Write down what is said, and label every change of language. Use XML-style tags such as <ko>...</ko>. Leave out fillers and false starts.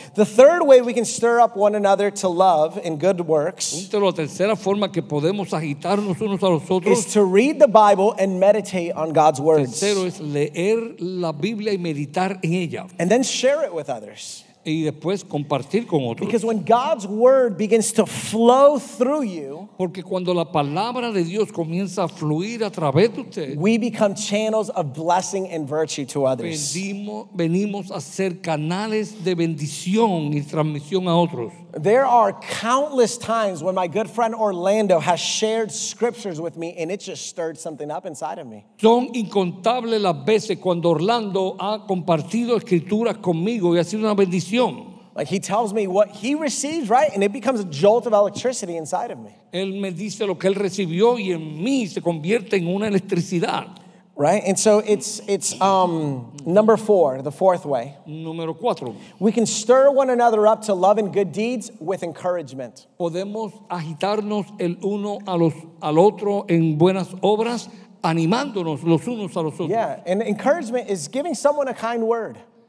<en>The third way we can stir up one another to love and good works.</en> <es>Punto, la tercera forma que podemos agitarnos unos a los otros</es> <en>is to read the Bible and meditate on God's words.</en> <es>Tercero es leer la Biblia y meditar en ella.</es> <en>And then share it with others.</en> <es>Y después compartir con otros.</es> <en>Because when God's word begins to flow through you,</en> <es>porque cuando la palabra de Dios comienza a fluir a través de usted,</es> <en>we become channels of blessing and virtue to others.</en> <es>Venimos a ser canales de bendición y transmisión a otros.</es> <en>There are countless times when my good friend Orlando has shared scriptures with me and it just stirred something up inside of me.</en> <es>Son incontables las veces cuando Orlando ha compartido escrituras conmigo y ha sido una bendición.</es> <en>Like he tells me what he receives, right? And it becomes a jolt of electricity inside of me.</en> <es>Él me dice lo que él recibió y en mí se convierte en una electricidad.</es> <en>Right? And so it's number four, the fourth way.</en> <es>Número cuatro.</es> <en>We can stir one another up to love and good deeds with encouragement.</en> <es>Podemos agitarnos el uno al otro en buenas obras, animándonos los unos a los otros.</es> <en>Yeah, and encouragement is giving someone a kind word.</en>